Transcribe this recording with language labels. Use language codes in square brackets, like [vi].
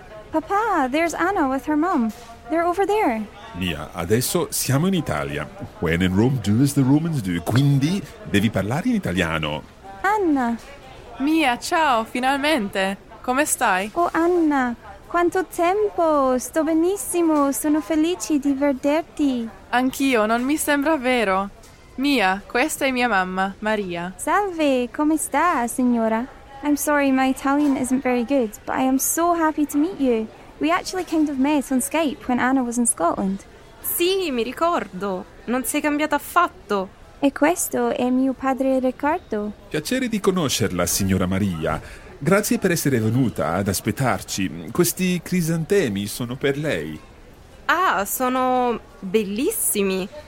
[en] Papà, there's Anna with her mom. They're over there. [it] Mia, adesso siamo in Italia. [en] When in Rome, do as the Romans do. [it] Quindi devi parlare in italiano. Anna. Mia, ciao, finalmente. Come stai? Oh, Anna, quanto tempo. Sto benissimo. Sono felice di vederti. Anch'io, non mi sembra vero. Mia, questa è mia mamma, Maria. Salve, come sta, signora? [en] I'm sorry, my Italian isn't very good, but I am so happy to meet you. We actually kind of met on Skype when Anna was in Scotland. [it] Sì, mi ricordo. Non sei cambiata affatto. E questo è mio padre Riccardo. Piacere di conoscerla, signora Maria. Grazie per essere venuta ad aspettarci. Questi crisantemi sono per lei. Ah, sono bellissimi.